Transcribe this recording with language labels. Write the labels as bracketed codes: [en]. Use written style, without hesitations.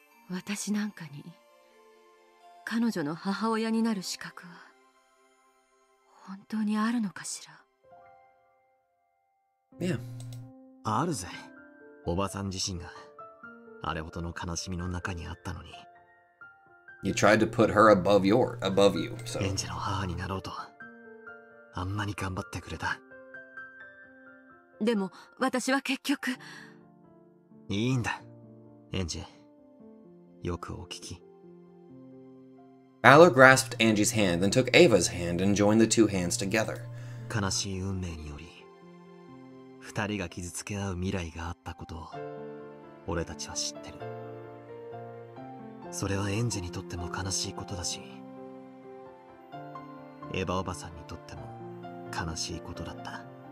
[ja] 私なんかに彼女の母親になる資格は本当にあるのかしら。いや、あるぜ。おばさん自身があれほどの悲しみの中にあったのに。 [en] You tried to put her above your, above you, so. [ja] エンジェの母になろうとあんなに頑張ってくれた。でも私は結局。いいんだ、エンジェ。よくお聞き。 [en] Balor grasped Angie's hand, then took Ava's hand and joined the two hands together. [ja] エヴァおばさんにとっても悲しいことだし、エヴァおばさんにとっても悲しいことだった。